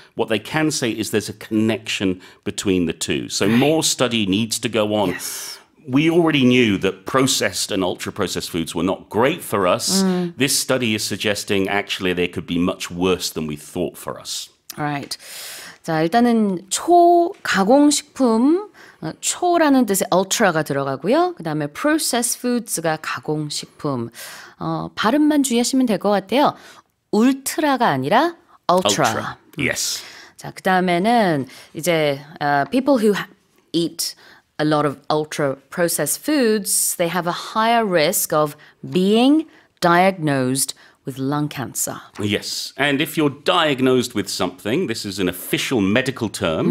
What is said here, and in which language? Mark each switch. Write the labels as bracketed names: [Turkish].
[English] What they can say is there's a connection between the two. So right. more study needs to go on. Yes. We already knew that processed and ultra-processed foods were not great for us. Mm. This study is suggesting actually they could be much worse than we thought for us. Right. [Korean] 자, 일단은 초가공식품, 초라는 뜻의 ultra가 들어가고요. 그 다음에 [English] processed foods [Korean] 가 가공식품. 발음만 주의하시면 될 것 같아요. ultra가 아니라 ultra. [English] Ultra. Yes. [Korean] 자, 그 다음에는 이제 [English] people who eat a lot of ultra-processed foods, they have a higher risk of being diagnosed with lung cancer. Yes, and if you're diagnosed with something, this is an official medical term,